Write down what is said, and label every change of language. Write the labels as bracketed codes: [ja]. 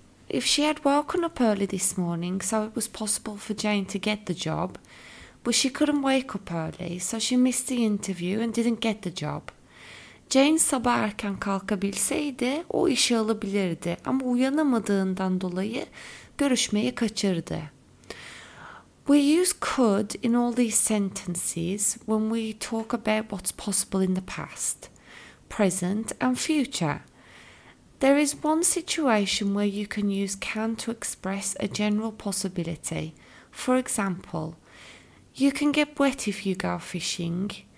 [en] If she had woken up early this morning, so it was possible for Jane to get the job, but she couldn't wake up early, so she missed the interview and didn't get the job. [tr] Jane sabah erken kalkabilseydi o işi alabilirdi ama uyanamadığından dolayı görüşmeyi kaçırdı. [en] We use could in all these sentences when we talk about what's possible in the past, present and future. There is one situation where you can use can to express a general possibility. For example, you can get wet if you go fishing.